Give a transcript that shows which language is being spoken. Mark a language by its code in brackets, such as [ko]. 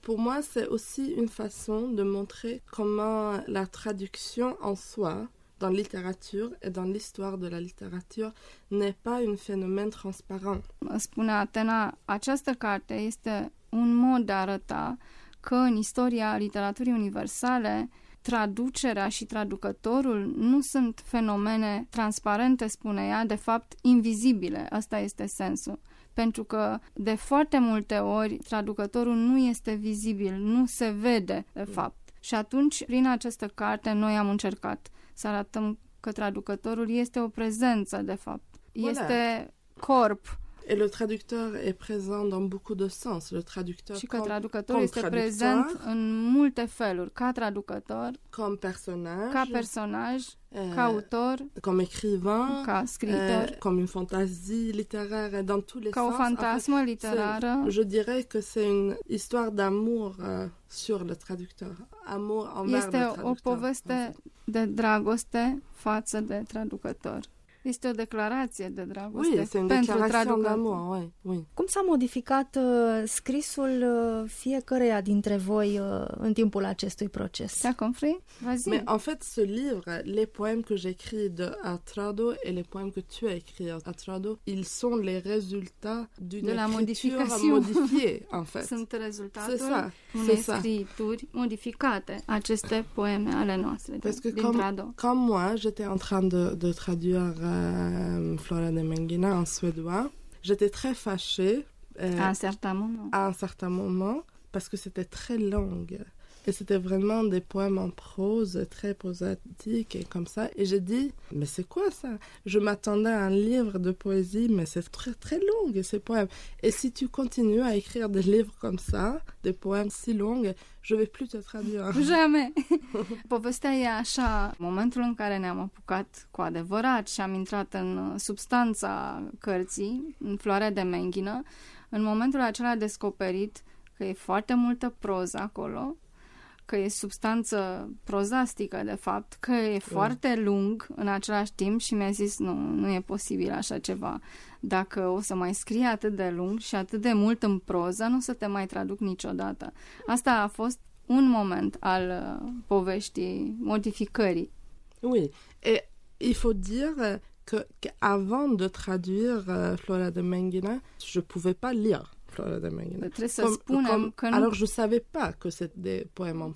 [fr] Pour moi, c'est aussi une façon de montrer comment la traduction en soi, dans la littérature et dans l'histoire de la littérature, n'est pas un phénomène transparent. [ro] Spune Atena, această carte este un mod de a arăta că în istoria literaturii universale, traducerea și traducătorul nu sunt fenomene transparente, spune ea, de fapt, invizibile. Asta este sensul. Pentru că de foarte multe ori traducătorul nu este vizibil, nu se vede, de fapt. Și atunci, prin această carte, noi am încercat să arătăm că traducătorul este o prezență, de fapt. Este corp [fr] Et le traducteur est présent dans beaucoup de sens. Le traducteur [ro] și ca traducător este prezent în multe feluri. Ca traducător, [fr] comme personnage, [ro] ca personaj, ca autor, [fr] comme écrivain, [ro] ca scriitor, [fr] comme une fantaisie littéraire, dans tous les [ro] ca [fr] sens. [ro] Ca o fantasmă literară. [fr] Je dirais que c'est une histoire d'amour sur le traducteur. Amour envers le traducteur. [ro] Este o poveste [fr] en fait. [ro] De dragoste față de traducător. Este o declarație de dragoste pentru traducător. [fr] Oui. [ro] Cum s-a modificat scrisul fiecăreia dintre voi în timpul acestui proces? [fr] Ți-a compris? Vas-y. Mais en fait, ce livre, les poèmes que j'écris de Atrado et les poèmes que tu as écrit de Atrado, ils sont les résultats d'une écriture modifiée, en fait. Sunt rezultatul unei scriituri modificate, aceste poeme ale noastre din Atrado. Comme moi, j'étais en train de traduire Flora de Mengina en suédois. J'étais très fâchée à un certain moment parce que c'était très longue et c'était vraiment des poèmes en prose très prosatiques et comme ça. Et j'ai dit, mais c'est quoi ça? Je m'attendais à un livre de poésie, mais c'est très très long ces poèmes. Et si tu continues à écrire des livres comme ça, des poèmes si longs, je vais plus te traduire. Jamais. [ro] Povestea e așa, momentul în care ne-am apucat cu adevărat și am intrat în substanța cărții, în Floarea de Menghină, în momentul acela a descoperit că e foarte multă proză acolo, că e substanță prozastică, de fapt, că e foarte lung în același timp și mi-a zis, nu e posibil așa ceva. Dacă o să mai scrii atât de lung și atât de mult în proză, nu o să te mai traduc niciodată. Asta a fost un moment al poveștii, modificării. [fr] Oui, et il faut dire que, avant de traduire Flora de Mengina, je pouvais pas lire. [ro] Trebuie să spunem că [fr] alors je savais pas que c'était des poèmes en prose.